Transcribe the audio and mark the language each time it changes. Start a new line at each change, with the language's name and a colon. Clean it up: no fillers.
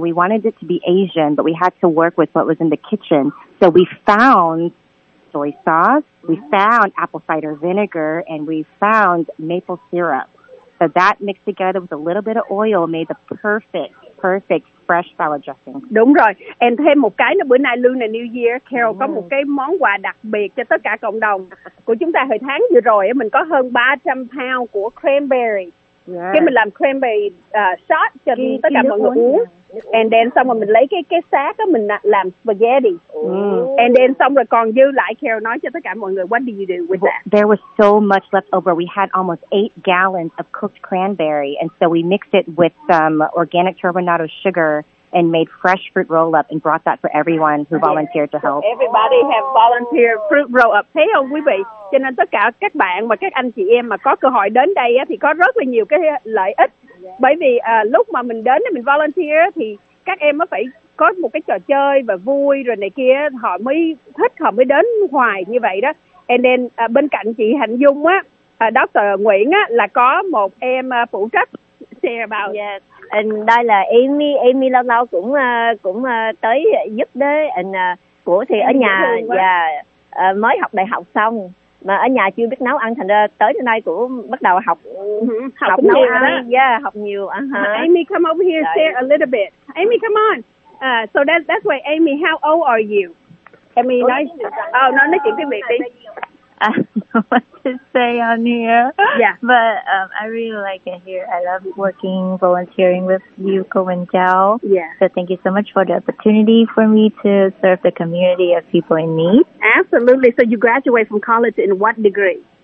English: We wanted it to be Asian, but we had to work with what was in the kitchen. So we found soy sauce. We found apple cider vinegar. And we found maple syrup. So that mixed together with a little bit of oil made the perfect fresh salad dressing.
Vietnamese: Đúng rồi. And thêm một cái nữa, bữa nay Lunar New Year, Carol có một cái món quà đặc biệt cho tất cả cộng đồng của chúng ta. Hồi tháng vừa rồi mình có hơn 300 pound của cranberry.
English: Yes.
Vietnamese: Cái mình làm cranberry shot cho tất cả mọi người uống. And then xong rồi mình lấy cái xác á, mình làm spaghetti. And then xong rồi còn dư lại, Carol nói cho tất cả mọi người,
English: what do you do with that? There was so much left over. We had almost 8 gallons of cooked cranberry, and so we mixed it with some organic turbinado sugar and made fresh fruit roll up and brought that for everyone who volunteered to help. Everybody have volunteered fruit roll up.
Vietnamese: Thấy không quý vị? Cho nên tất cả các bạn và các anh chị em mà có cơ hội đến đây á, thì có rất là nhiều cái lợi ích. Bởi vì lúc mà mình đến mình volunteer thì các em mới phải có một cái trò chơi và vui rồi này kia, họ mới thích, họ mới đến hoài như vậy đó. And then bên cạnh chị Hạnh Dung á, Dr. Nguyễn á, là có một em phụ trách
English: share about. Yes.
Vietnamese: And đây là Amy lâu lâu cũng tới giúp đấy. And của thì ở nhà và mới học đại học xong. mà ở nhà chưa biết nấu ăn, thành ra tới đến nay cũng bắt đầu học học nấu ăn đó. Yeah, học nhiều.
English: Amy, come over here, share a little bit. Amy, come on. So that's why, Amy, how old are you?
Vietnamese: Amy, nói chuyện tiếng Việt đi.
English: I don't know what to say on here. Yeah. But I really like it here. I love working, volunteering with you, Ko and Chow. Yeah. So thank you so much for the opportunity for me to serve the community of people in need. Absolutely. So you graduated from college in what degree?